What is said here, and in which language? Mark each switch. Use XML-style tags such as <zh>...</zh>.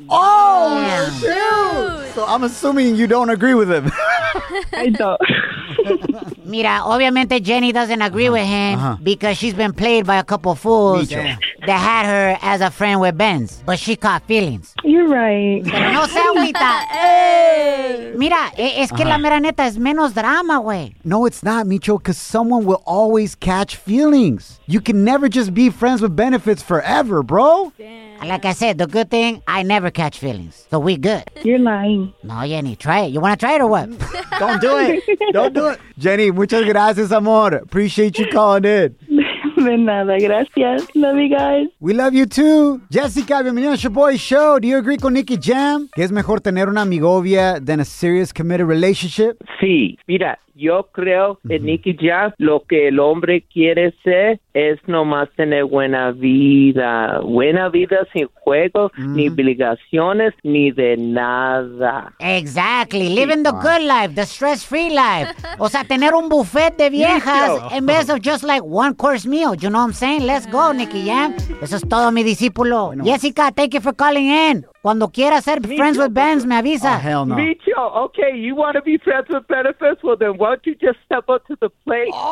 <en>Oh, shoot! So I'm assuming you don't agree with him. I don't.</en> <es>Mira, obviamente</es> <en>Jenny doesn't agree with him because she's been played by a couple fools that had her as a friend with Benz, but she caught feelings. You're right.</en> <es>No se agüita. Mira, es que la mera neta es menos drama, güey.</es> <en>No, it's not, Micho, because someone will always catch feelings. You can never just be friends with benefits forever, bro. Damn. Like I said, the good thing, I never catch feelings, so we good. You're lying. No, Jenny, try it. You want to try it or what? Don't do it. Don't do it. Jenny,</en> <es>muchas gracias, amor.</es> <en>Appreciate you calling in.</en> <es>De nada, gracias.</es> <en>Love you guys. We love you too. Jessica,</en> <es>bienvenida a</es> <en>Shaboy Show. Do you agree con Nicky Jam?</en> <es>¿Qué es mejor tener una amigovia</es> <en>than a serious committed relationship?</en> <es>Sí. Mira, yo creo en Nicky Jam, lo que el hombre quiere ser es nomás tener buena vida. Buena vida sin juegos, ni obligaciones, ni de nada.</es> <en>Exactly. Living the good life, the stress-free life.</en> <es>O sea, tener un buffet de viejas en vez</es> <en>of just like one course meal. You know what I'm saying? Let's go,</en> <es>Nicky Jam. Eso es todo, mi discípulo. Bueno. Jessica,</es> <en>thank you for calling in.</en> <es>Cuando quiera ser Micho,</es> <en>friends with Benz,</en> <es>me avisa.</es> <en>Oh, hell no. Micho, okay, you want to be friends with benefits? Well, then why don't you just step up to the plate?</en>